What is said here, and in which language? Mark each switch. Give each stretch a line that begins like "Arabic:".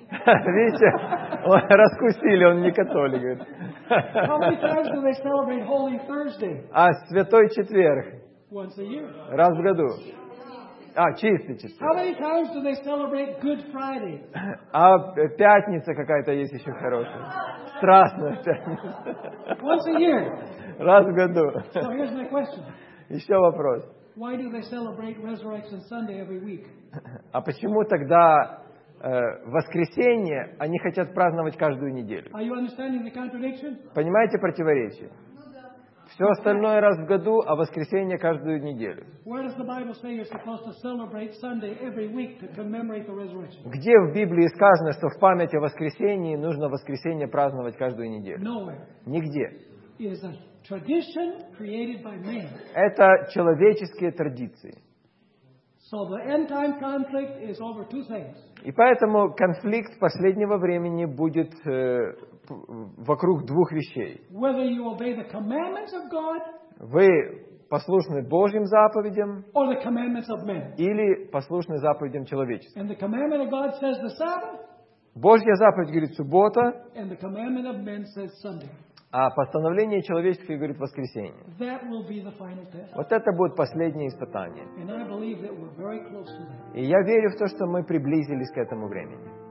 Russian: Видите, раскусили, он не католик.
English: How many times do they celebrate Holy Thursday?
Russian: А Святой Четверг.
English: Once a year.
Russian: Раз в году. А чистый четверг.
English: How many times do they celebrate Good Friday?
Russian: А пятница какая-то есть еще хорошая. Страстная пятница.
English: Once a year.
Russian: Раз в году.
English: So here's my question.
Russian: Еще вопрос.
English: Why do they celebrate Resurrection Sunday every week?
Russian: А почему тогда воскресенье они хотят праздновать каждую неделю?
English: Are you understanding the contradiction?
Russian: Понимаете противоречие? Все остальное раз в году, а воскресенье каждую неделю.
English: Where does the Bible say you're supposed to celebrate Sunday every week to commemorate the resurrection?
Russian: Где в Библии сказано, что в память о воскресении нужно воскресенье праздновать каждую неделю?
English: Nowhere.
Russian: Нигде.
English: It is a tradition created by man.
Russian: Это человеческие традиции.
English: So the end time conflict is over two things.
Russian: И поэтому конфликт последнего времени будет вокруг двух вещей.
English: Whether you obey the commandments of God,
Russian: вы послушны Божьим заповедям,
English: or the commandments of men.
Russian: Или послушны заповедям человечества.
English: And the commandment of God says the Sabbath,
Russian: Божья заповедь говорит суббота,
English: and the commandment of men says Sunday.
Russian: А постановление человеческое говорит воскресенье.
English: That will be the final test.
Russian: Вот это будет последнее испытание.
English: And I believe that we're very close to that.
Russian: И я верю в то, что мы приблизились к этому времени.